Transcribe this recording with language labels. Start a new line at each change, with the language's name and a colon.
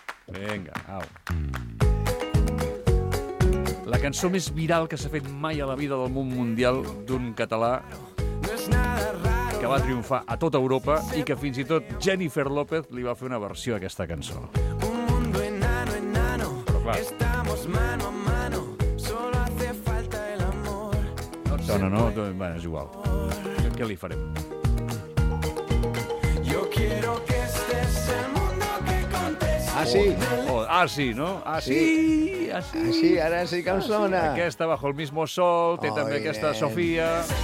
Catalan: Vinga, au. La cançó més viral que s'ha fet mai a la vida del món mundial d'un català que va triomfar a tota Europa i que fins i tot Jennifer López li va fer una versió a aquesta cançó.
Spanish: Un mundo enano, enano, estamos mano a mano, solo hace falta el amor.
Catalan: Dona, no, no, no, és igual. Què li farem?
Spanish: Yo quiero que estés el mundo que contesta.
Catalan: Ah, sí. Oh, ah, sí, no? Ah, sí. Sí, ah, sí, ara sí que em sona. Ah, sí. Aquesta, Bajo el mismo sol, té també aquesta Sofía.